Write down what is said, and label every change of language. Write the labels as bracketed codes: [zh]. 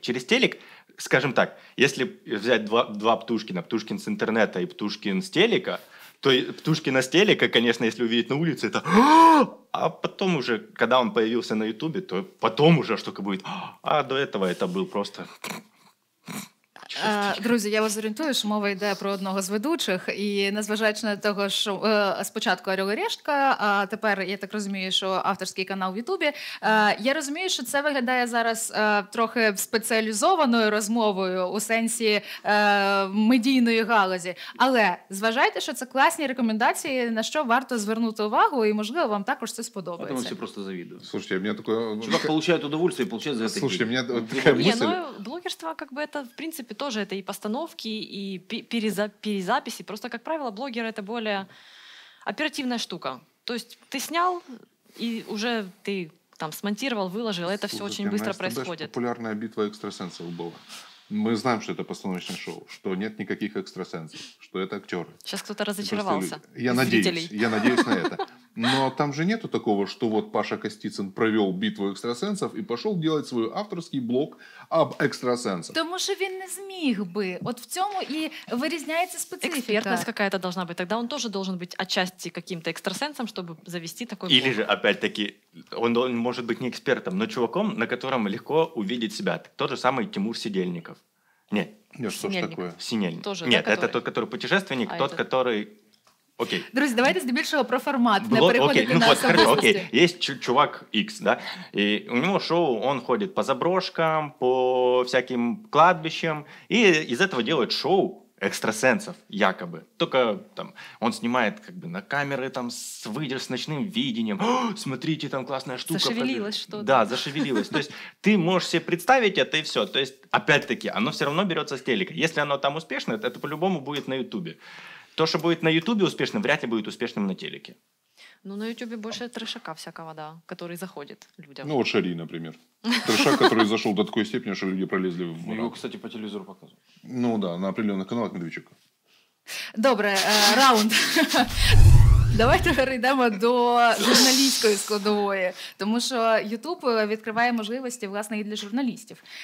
[ru] Через телек, скажем так, если взять два Птушкина, Птушкин с интернета и Птушкин с телека, то Птушкина с телека, конечно, если увидеть на улице, это... А потом уже, когда он появился на YouTube, то потом уже штука будет... А до этого это был просто... [uk] Друзі, я вас орієнтую, що мова йде про одного з ведучих, і незважаючи на того, що спочатку «Орел і Решка», а тепер, я так розумію, що авторський канал в Ютубі, я розумію, що це виглядає зараз трохи спеціалізованою розмовою у сенсі медійної галузі, але зважайте, що це класні рекомендації, на що варто звернути увагу, і, можливо, вам також це сподобається. А тому всі просто завідують. Слушайте, у мене таке... Чувак получає удовольствие і получає за це. Слушайте, у мене така мисль... [ru] Блогерство, как бы, это, в принципе, тоже это и постановки, и перезаписи. Просто, как правило, блогеры — это более оперативная штука. То есть ты снял, и уже ты там смонтировал, выложил. Слушайте, это все очень быстро происходит. Это популярная битва экстрасенсов была. Мы знаем, что это постановочное шоу, что нет никаких экстрасенсов, что это актеры. Сейчас кто-то разочаровался. Я надеюсь на это. Но там же нету такого, что вот Паша Костицын провел битву экстрасенсов и пошел делать свой авторский блог об экстрасенсах. Потому что он не смог бы. Вот в этом и вырезняется специфика. Экспертность какая-то должна быть. Тогда он тоже должен быть отчасти каким-то экстрасенсом, чтобы завести такой блог. Или же, опять-таки, он может быть не экспертом, но чуваком, на котором легко увидеть себя. Тот же самый Тимур Сидельников. Нет. Нет, что ж такое? Синельник. Тоже, нет, да, это тот, который путешественник, тот, это... который... Окей. [uk] Друзі, давайте здебільшого про формат, блог, не переходити ну, на вот, особистості. Окей. Є чувак X, да? І у нього шоу, він ходить по заброшкам, по всяким кладбищам, і з цього роблять шоу екстрасенсів, якоби. Тільки там, він знімає как бы, на камери там, з ночним виденням. [ru] О, смотрите, там класна штука. [uk] Зашевелилось щось. [ru] Да, зашевелилось. [uk] То есть, ти можеш себе представити це і все. То есть, опять-таки, воно все одно береться з телека. Якщо воно там успішне, то це по-любому буде на Ютубі. [ru] То, что будет на Ютубе успешным, вряд ли будет успешным на телеке. Ну, на Ютубе больше трешака всякого, да, который заходит людям. Ну, вот Шарий, например. Трешак, который зашел до такой степени, что люди пролезли в мрак. Его, кстати, по телевизору показывают. Ну, да, на определенных каналах Медведчука. [uk] Добре, раунд. Давайте перейдемо до журналістської складової, тому що Ютуб відкриває можливості, власне, і для журналістів.